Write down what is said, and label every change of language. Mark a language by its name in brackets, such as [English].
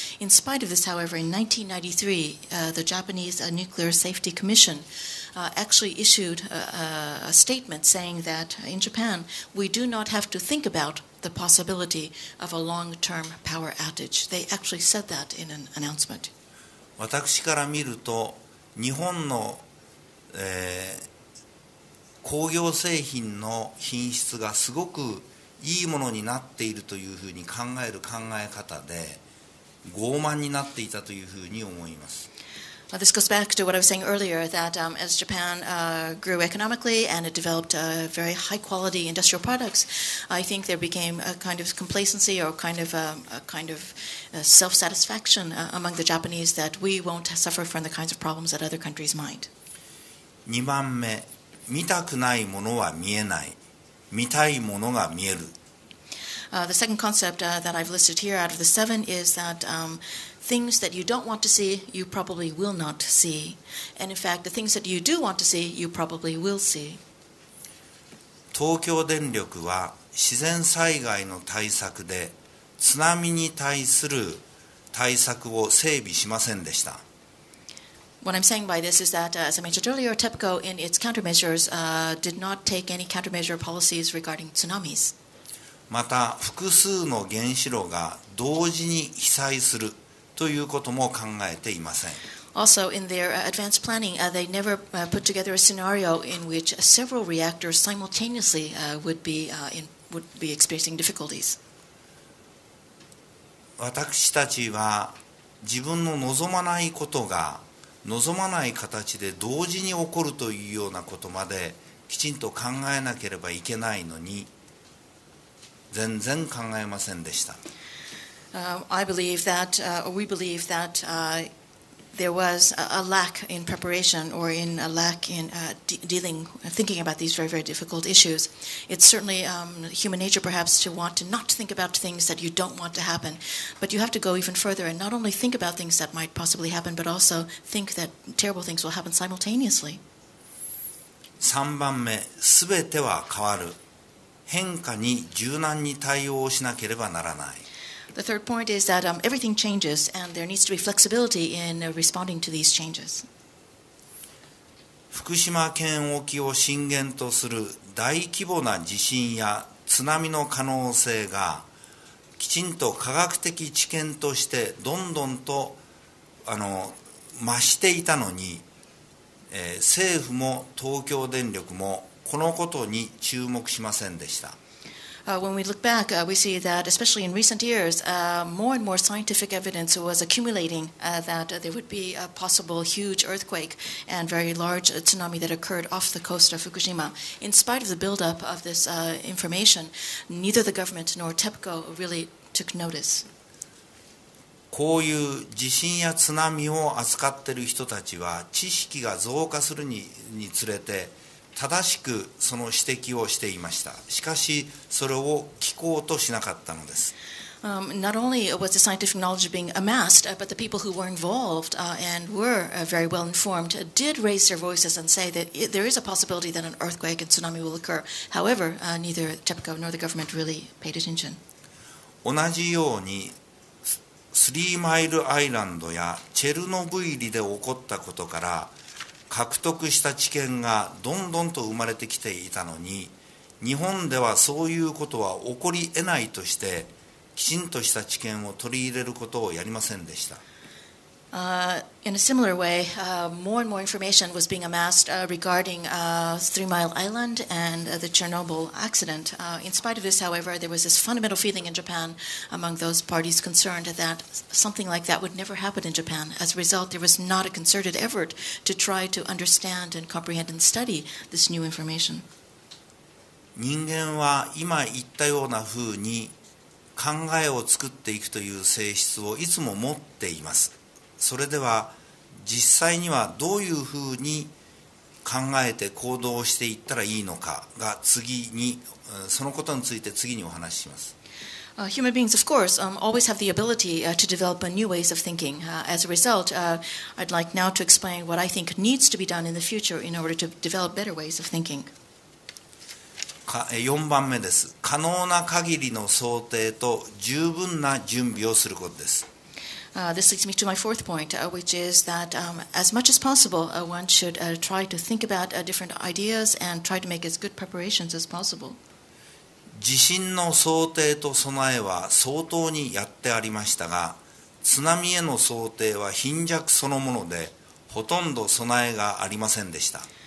[English] In spite of this, however, in 1993, the Japanese Nuclear Safety Commission actually issued a statement saying that in Japan, we do not have to think about the possibility of a long-term power outage. They actually said that in an announcement. [Japanese] 私から見ると日本の、工業製品の品質がすごくいいものになっているというふうに考える考え方で傲慢になっていたというふうに思います。 [English] Well, this goes back to what I was saying earlier, that as Japan grew economically and it developed very high-quality industrial products, I think there became a kind of complacency or a kind of self-satisfaction among the Japanese that we won't suffer from the kinds of problems that other countries might. [Japanese] 2番目、見たくないものは見えない。見たいものが見える。 [English] The second concept that I've listed here out of the seven is that things that you don't want to see, you probably will not see. And in fact, the things that you do want to see, you probably will see. [Japanese] 東京電力は自然災害の対策で津波に対する対策を整備しませんでした。 [English] What I'm saying by this is that, as I mentioned earlier, TEPCO in its countermeasures did not take any countermeasure policies regarding tsunamis. [Japanese] また複数の原子炉が同時に被災するということも考えていません。 [English] Also, in their advanced planning, they never put together a scenario in which several reactors simultaneously would be experiencing difficulties. [Japanese] 私たちは自分の望まないことが望まない形で同時に起こるというようなことまできちんと考えなければいけないのに、全然考えませんでした。 [English] I believe that, or we believe that, there was a lack in preparation or in a lack in dealing, thinking about these very, very difficult issues. It's certainly human nature perhaps to want to not think about things that you don't want to happen, but you have to go even further and not only think about things that might possibly happen, but also think that terrible things will happen simultaneously. [Japanese] 3番目、すべては変わる。変化に柔軟に対応しなければならない。 [English] The third point is that everything changes and there needs to be flexibility in responding to these changes. [Japanese] 福島県沖を震源とする大規模な地震や津波の可能性がきちんと科学的知見としてどんどんと増していたのに、政府も東京電力もこのことに注目しませんでした。 [English] When we look back, we see that, especially in recent years, more and more scientific evidence was accumulating that there would be a possible huge earthquake and very large tsunami that occurred off the coast of Fukushima. In spite of the buildup of this information, neither the government nor TEPCO really took notice. [Japanese] こういう地震や津波を扱っている人たちは、知識が増加するにつれて、正しくその指摘をしていました。しかし、それを聞こうとしなかったのです。 [English] Not only was the scientific knowledge being amassed, but the people who were involved and were very well informed did raise their voices and say that there is a possibility that an earthquake and tsunami will occur. However, neither TEPCO nor the government really paid attention. [Japanese] 同じように、スリーマイルアイランドやチェルノブイリで起こったことから、獲得した知見がどんどんと生まれてきていたのに、日本ではそういうことは起こり得ないとして、きちんとした知見を取り入れることをやりませんでした。 [English] In a similar way, more and more information was being amassed regarding Three Mile Island and the Chernobyl accident. In spite of this, however, there was this fundamental feeling in Japan among those parties concerned that something like that would never happen in Japan. As a result, there was not a concerted effort to try to understand and comprehend and study this new information. [Japanese] 人間は今言ったようなふうに考えを作っていくという性質をいつも持っています。それでは実際にはどういうふうに考えて行動していったらいいのかが次に、そのことについて次にお話しします。 [English] Human beings, of course, always have the ability to develop new ways of thinking. As a result, I'd like now to explain what I think needs to be done in the future in order to develop better ways of thinking. [Japanese] 4番目です。可能な限りの想定と十分な準備をすることです。 [English] This leads me to my fourth point, which is that as much as possible, one should try to think about different ideas and try to make as good preparations as possible. [Japanese] 地震の想定と備えは相当にやってありましたが、津波への想定は貧弱そのもので、ほとんど備えがありませんでした。